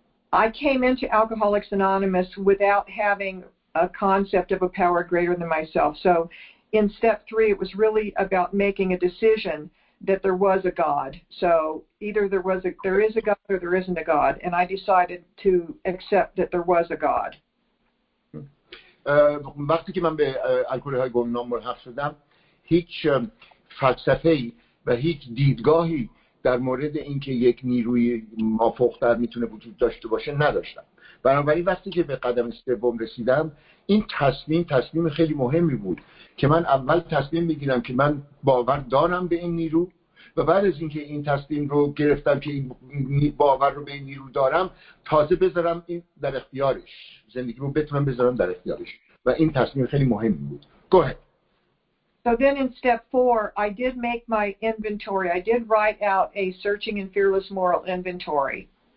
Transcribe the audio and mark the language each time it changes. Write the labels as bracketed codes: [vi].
[en] I came into Alcoholics Anonymous without having a concept of a power greater than myself. So in step three, it was really about making a decision that there was a God. So either there is a God or there isn't a God. And I decided to accept that there was a God. [fa] وقتی که من به الکل های گمنام ملحق شدم، هیچ فلسفه‌ای و هیچ دیدگاهی در مورد اینکه یک نیروی مافوق‌تر میتونه وجود داشته باشه نداشتم. بنابراین وقتی که به قدم سوم رسیدم، این تصمیم خیلی مهمی بود که من اول تصمیم بگیرم که من باور دارم به این نیرو، و بعد از اینکه این تصمیم رو گرفتم که این باور رو به این نیرو دارم، تازه بذارم این در اختیارش، زندگی رو بتونم بذارم در اختیارش، و این تصمیم خیلی مهمی بود. [en] Go ahead. So then in step four, I did make my inventory. I did write out a searching and fearless moral inventory.